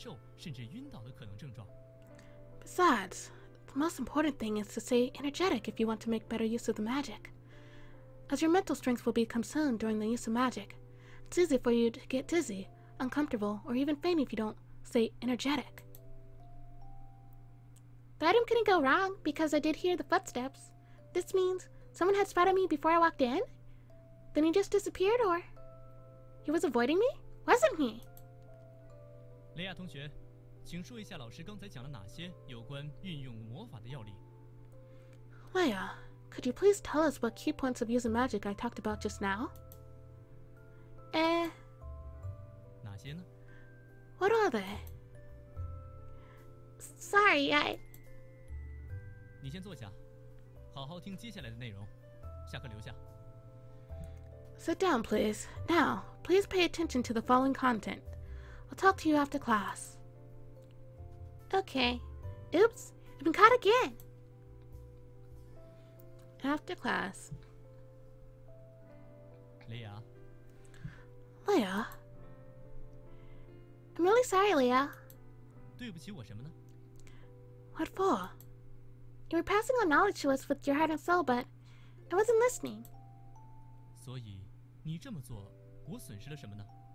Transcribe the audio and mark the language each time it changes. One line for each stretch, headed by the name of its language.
Chinese: 还有，如果想称心如意地使用好魔法，要好精神是最重要的。因为在使用魔法的过程中，本身就会消耗你的精神力。如果不好好保证精力充沛的话，很容易出现头晕、难受，甚至晕倒的可能症状。
English: Besides, the most important thing is to stay energetic if you want to make better use of the magic. As your mental strength will be consumed during the use of magic, it's easy for you to get dizzy, uncomfortable, or even faint if you don't stay energetic. The item couldn't go wrong because I did hear the footsteps. This means someone had spotted me before I walked in? Then he just disappeared, or... he was avoiding me? Wasn't he?
Chinese: Leia同学, 请说一下老师刚才讲了哪些有关运用魔法的要领。
English: Leia... could you please tell us what key points of using magic I talked about just now?
Chinese: 哪些呢?
English: What are they? Sorry, I...
Chinese: 你先坐下，好好听接下来的内容，下课留下。
English: Sit down, please. Now, please pay attention to the following content. I'll talk to you after class. Okay. Oops, I've been caught again! After class. Leia. Leia? I'm really sorry, Leia.
Chinese: 对不起我什么呢?
English: What for? You were passing on knowledge to us with your heart and soul, but I wasn't listening.
Chinese: 所以你这么做，我损失了什么呢?